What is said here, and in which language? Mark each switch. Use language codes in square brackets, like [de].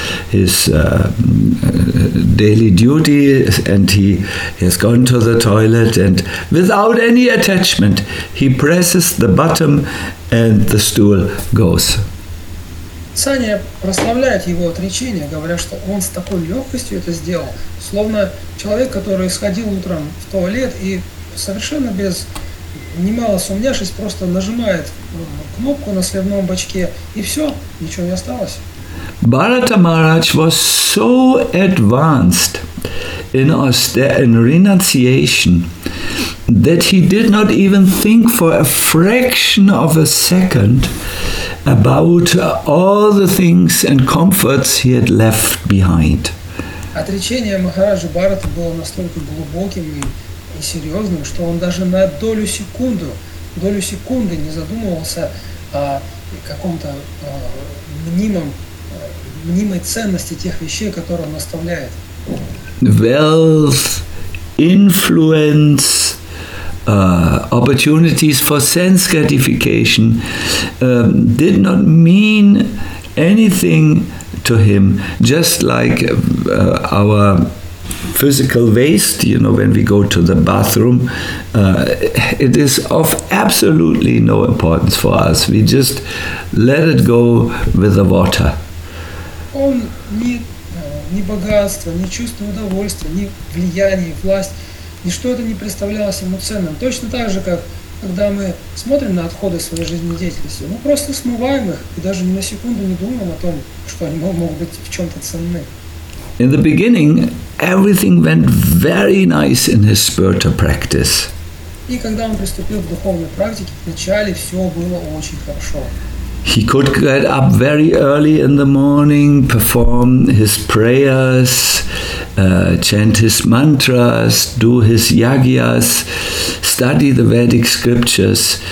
[en] daily duty, and he has gone to the toilet, and without any attachment he presses the button and the stool goes. [ru] Писания прославляют его отречение, говоря, что он с такой легкостью это сделал, словно человек, который сходил утром в туалет и совершенно без немало сумняшись, просто нажимает кнопку на сливном бачке, и все, ничего не осталось. [en] Bharata Maharaj was so advanced in renunciation that he did not even think for a fraction of a second about all the things and comforts he had left behind. [ru] Отречение Махараджи Бхарата было настолько глубоким и серьезным, что он даже на долю секунды не задумывался о каком-то мнимой ценности тех вещей, которые он оставляет. [en] Wealth, influence, opportunities for sense gratification did not mean anything to him, just like our physical waste, you know, when we go to the bathroom, it is of absolutely no importance for us. We just let it go with the water. [ru] Он ни богатство, ни чувство удовольствия, ни влияние, власть. Ничто это не представлялось ему ценным. Точно так же, как когда мы смотрим на отходы своей жизнедеятельности, мы просто смываем их и даже ни на секунду не думаем о том, что они могут быть в чем-то ценны. [en] In the beginning, everything went very nice in his spiritual practice. [ru] И когда он приступил к духовной практике, вначале все было очень хорошо. [en] He could get up very early in the morning, perform his prayers, chant his mantras, do his yagyas, study the Vedic scriptures.